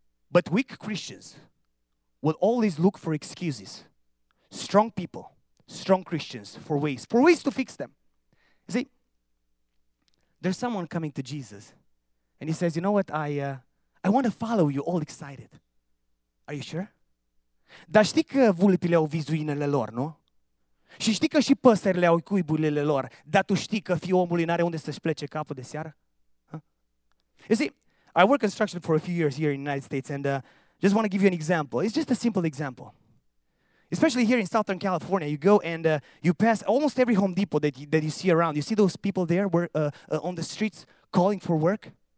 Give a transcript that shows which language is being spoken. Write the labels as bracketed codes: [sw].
[en] But weak Christians will always look for excuses. Strong people, strong Christians, for ways to fix them. You see, there's someone coming to Jesus, and he says, you know what, I want to follow you, all excited. Are you sure? [ro] Dar știi că vulpile au vizuinele lor, nu? Și știi că și păsările au cuiburile lor, dar tu știi că fiul omului n-are unde să-și plece capul de seară? Huh? [en] You see, I worked construction for a few years here in the United States and just want to give you an example. It's just a simple example. Especially here in Southern California, you go and you pass almost every Home Depot that you see around. You see those people there on the streets calling for work?